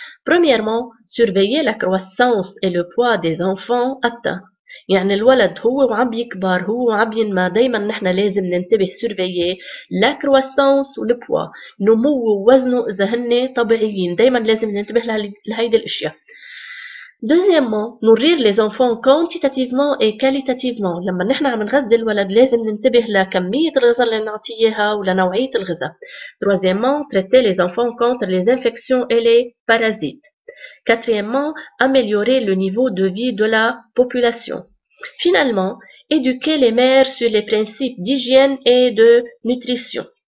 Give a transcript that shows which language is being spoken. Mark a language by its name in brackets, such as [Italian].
[French] Premièrement, surveiller la croissance et le poids des enfants atteints. [Arabic] يعني الولد هو عم بيكبر هو عم بينمى, دايما نحن لازم ننتبه [French] surveiller la croissance [Arabic] و [French] le poids, [Arabic] نمو ووزنه إذا هن طبيعيين, دايما لازم ننتبه لهيدي الأشياء. [French] Deuxièmement, nourrir les enfants quantitativement et qualitativement. [Arabic] لما نحن عم نغذي الولد لازم ننتبه لكمية الغذاء اللي نعطيها ولنوعية الغذاء. [French] Troisièmement, traiter les enfants contre les infections et les parasites. Quatrièmement, améliorer le niveau de vie de la population. Finalement, éduquer les mères sur les principes d'hygiène et de nutrition.